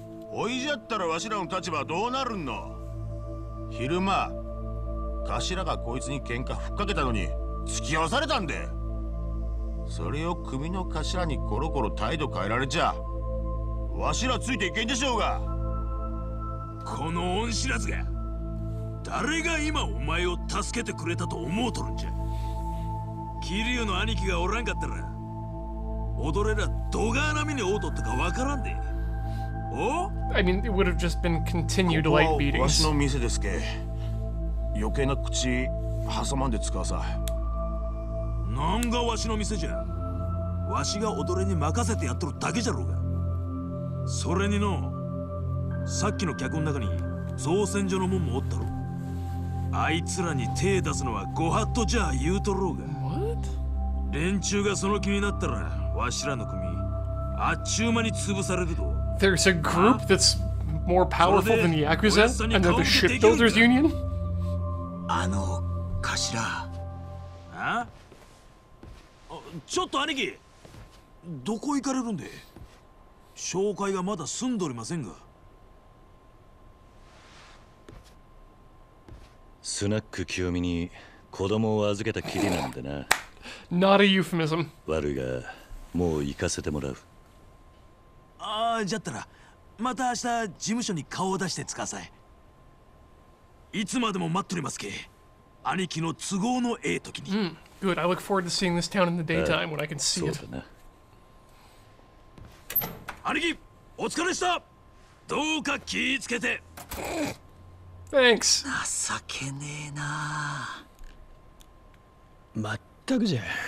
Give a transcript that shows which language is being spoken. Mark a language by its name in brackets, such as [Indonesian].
[Japanese] おいじゃったらわしらの立場はどうなるんの。昼間頭がこいつに喧嘩ふっかけたのに突き合わされたんで、それを組の頭にコロコロ態度変えられちゃわしらついていけんでしょうが。この恩知らずが誰が今お前を助けてくれたと思うとるんじゃ。キリュウの兄貴がおらんかったら、踊れらドガーな目に遭うとったかわからんで。お？ [English] I mean, it would have just been continued light beatings. [Japanese] ここはわしの店ですけ。余計な口挟まんで使わさ。なんがわしの店じゃ。わしが踊れに任せてやっとるだけじゃろうが。それにの、さっきの客の中に造船所のもんもおったろ。あいつらに手出すのはご法度じゃ言うとろうが。連中がその気になったら、わしらの組、あっちゅう間に潰されるぞ。 [English] There's a group that's more powerful than the Yakuza, and they're the Shipbuilders Union? [Japanese] あの、頭。ちょっと兄貴、どこ行かれるんで？紹介がまだ済んどりませんが。スナック清美に子供を預けたきりなんでな。 [English] Not a euphemism. [Japanese] 悪いが、もう行かせてもらう。ああ、じゃったら、また明日事務所に顔を出して使わさい。いつまでも待っとりますけ。兄貴の都合のええ時に。 [English] Good. I look forward to seeing this town in the daytime when I can see it. [Japanese] 兄貴、お疲れした。どうか気ぃつけて。 [English] Thanks. [Japanese] 情けねえな。まっ。全くじゃ。